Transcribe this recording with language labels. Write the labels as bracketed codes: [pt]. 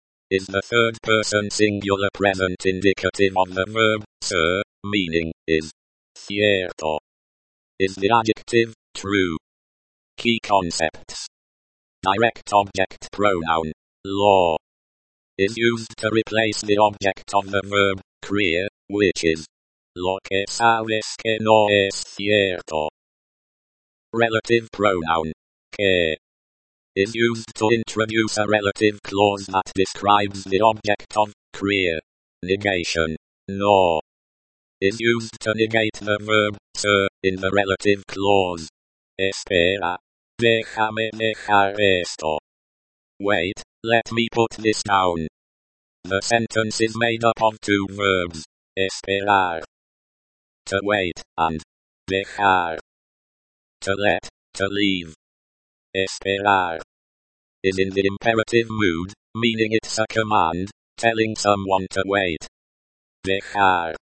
[en] Is the third person singular present indicative of the verb, sir, meaning, is. Cierto. Is the adjective, true. Key concepts. Direct object pronoun, law. Is used to replace the object of the verb, creer, which is. [es] Lo que sabes que no es cierto. [en] Relative pronoun, que. Is used to introduce a relative clause that describes the object of, creer, negation, no. Is used to negate the verb, sir, in the relative clause. [es] Espera, déjame dejar esto. [en] Wait, let me put this down. The sentence is made up of two verbs, esperar, to wait, and dejar, to let, to leave. Esperar. Is in the imperative mood, meaning it's a command, telling someone to wait. Dejar.